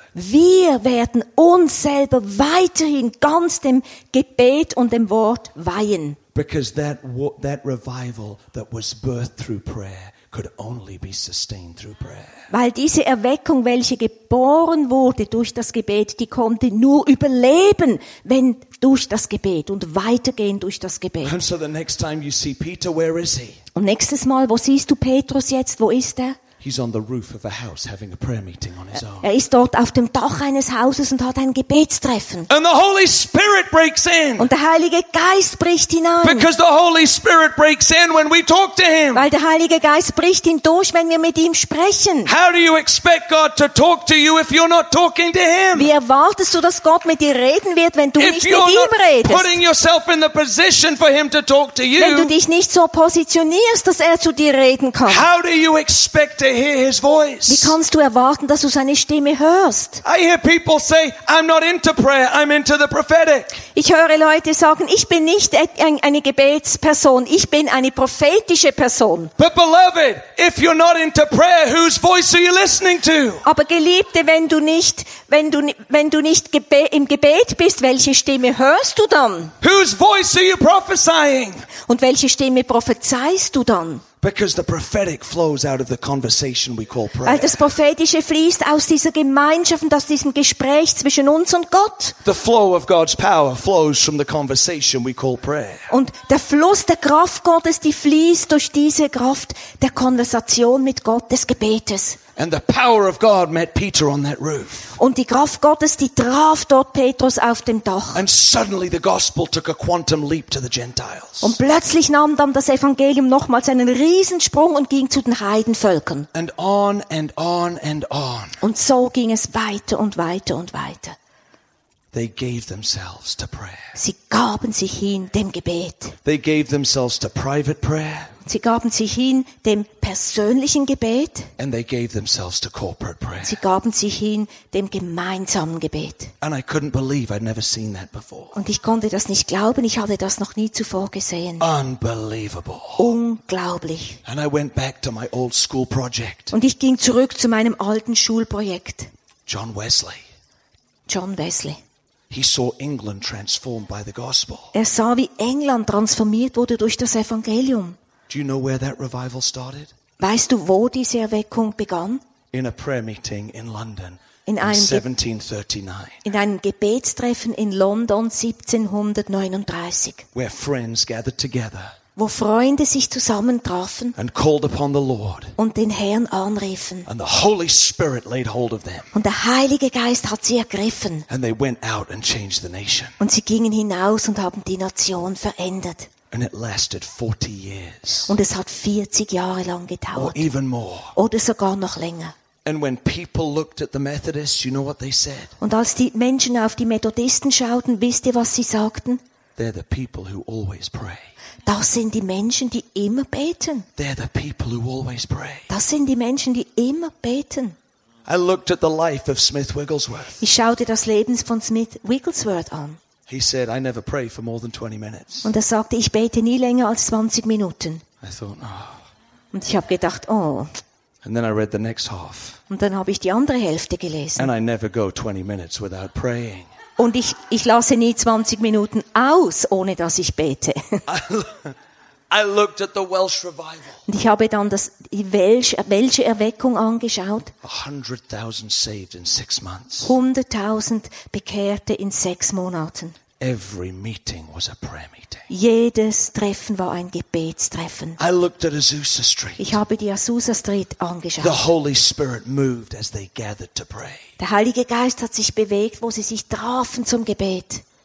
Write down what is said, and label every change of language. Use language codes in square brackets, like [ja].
[de] Wir werden uns selber weiterhin ganz dem Gebet und dem Wort weihen. [en] Because that revival that was birthed through prayer could only be sustained through prayer. [de] Weil diese Erweckung, welche geboren wurde durch das Gebet, die konnte nur überleben, wenn durch das Gebet und weitergehen durch das Gebet. [en] And so the next time you see Peter, where is he? [de] Und nächstes Mal, wo siehst du Petrus jetzt? Wo ist er? [en] He's on the roof of a house having a prayer meeting on his own. [de] Er ist dort auf dem Dach eines Hauses und hat ein Gebetstreffen. [en] And the Holy Spirit breaks in. [de] Und der Heilige Geist bricht hinein. [en] Because the Holy Spirit breaks in when we talk to him. [de] Weil der Heilige Geist bricht hindurch, wenn wir mit ihm sprechen. [en] How do you expect God to talk to you if you're not talking to him? [de] Wie erwartest du, dass Gott mit dir reden wird, wenn du nicht mit ihm redest? [en] Putting yourself in the position for him to talk to you. [de] Wenn du dich nicht so positionierst, dass er zu dir reden kann. [en] How do you expect to hear his voice? [de] Wie kannst du erwarten, dass du seine Stimme hörst? [en] I hear people say, I'm not into prayer, I'm into the prophetic. [de] Ich höre Leute sagen, ich bin nicht eine Gebetsperson, ich bin eine prophetische Person. [en] But beloved, if you're not into prayer, whose voice are you listening to? [de] Aber Geliebte, wenn du nicht im Gebet bist, welche Stimme hörst du dann? [en] Whose voice are you prophesying? [de] Und welche Stimme prophezeist du dann? [en] Because the prophetic flows out of the conversation we call prayer. [de] Weil das Prophetische fließt aus dieser Gemeinschaft und aus diesem Gespräch zwischen uns und Gott. [en] The flow of God's power flows from the conversation we call prayer. [de] Und der Fluss der Kraft Gottes, die fließt durch diese Kraft der Konversation mit Gott, des Gebetes. [en] And the power of God met Peter on that roof. [de] Und die Kraft Gottes, die traf dort Petrus auf dem Dach. [en] And suddenly the gospel took a quantum leap to the Gentiles. [de] Und plötzlich nahm dann das Evangelium nochmals einen Riesensprung und ging zu den Heidenvölkern. [en] And on and on and on. [de] Und so ging es weiter und weiter und weiter. [en] They gave themselves to prayer. [de] Sie gaben sich hin dem Gebet. [en] They gave themselves to private prayer. [de] Sie gaben sich hin dem persönlichen Gebet. [en] And they gave themselves to corporate prayer. [de] Sie gaben sich hin dem gemeinsamen Gebet. [en] And I couldn't believe I'd never seen that before. [de] Und ich konnte das nicht glauben, ich hatte das noch nie zuvor gesehen. [en] Unbelievable. [de] Unglaublich. [en] And I went back to my old school project. [de] Und ich ging zurück zu meinem alten Schulprojekt. [en] John Wesley. [de] John Wesley. [en] He saw England transformed by the gospel. [de] Er sah, wie England transformiert wurde durch das Evangelium. [en] Do you know where that revival started? [de] Weißt du, wo diese Erweckung begann? [en] In a prayer meeting in London. [de] In einem, 1739, in einem Gebetstreffen in London 1739, [en] where friends gathered together, [de] wo Freunde sich zusammentrafen [en] and called upon the Lord, [de] und den Herrn anriefen. [en] And the Holy Spirit laid hold of them, [de] und der Heilige Geist hat sie ergriffen. [en] And they went out and changed the nation, [de] und sie gingen hinaus und haben die Nation verändert. [en] And it lasted 40 years, [de] und es hat 40 Jahre lang gedauert, [en] or even more, [de] oder sogar noch länger. [en] And when people looked at the Methodists, you know what they said? [de] Und als die Menschen auf die Methodisten schauten, wisst ihr, was sie sagten? [en] They're the people who always pray. [de] Das sind die Menschen, die immer beten. [en] They're the people who always pray. [de] Das sind die Menschen, die immer beten. [en] I looked at the life of Smith Wigglesworth. [de] Ich schaute das Leben von Smith Wigglesworth an. [en] He said, "I never pray for more than 20 minutes." [de] Und er sagte, ich bete nie länger als 20 Minuten. [en] I thought, oh. [de] Und ich habe gedacht, oh. [en] And then I read the next half. [de] Und dann habe ich die andere Hälfte gelesen. [en] And I never go 20 minutes without praying. [de] Und ich lasse nie 20 Minuten aus, ohne dass ich bete. [en] I looked at the Welsh revival. [de] Und ich habe dann die welsche Erweckung angeschaut. [en] 100,000 saved in 6 months. [de] 100,000 Bekehrte in 6 Monaten. [en] Every meeting was a prayer meeting. [de] Jedes Treffen war ein Gebetstreffen. [en] I looked at Azusa Street. [de] Ich habe die Azusa Street angeschaut. [en] The Holy Spirit moved as they gathered to pray. [de] Der Heilige Geist hat sich bewegt, wo sie sich trafen zum Gebet.